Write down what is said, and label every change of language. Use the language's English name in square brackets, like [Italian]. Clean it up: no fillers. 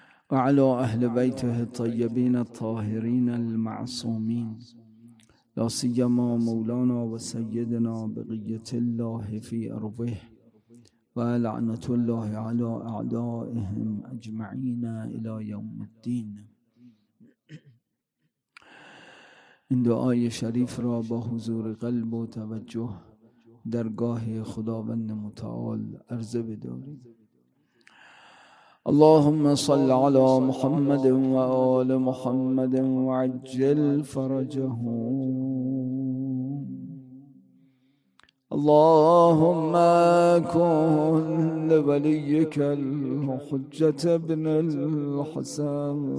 [Arabic] وعلى أهل بيته الطيبين الطاهرين المعصومين، لا سيما مولانا وسيدنا بقية الله في أرضه، ولعنة الله على أعدائهم أجمعين إلى يوم الدين. [Persian] إن دعاي شريف را بحضور قلب وتوجه درگاه خداوند متعال عرض بدارید. [Arabic] اللهم صل على محمد وآل محمد وعجل فرجهم. اللهم كن لوليك الحجة ابن الحسن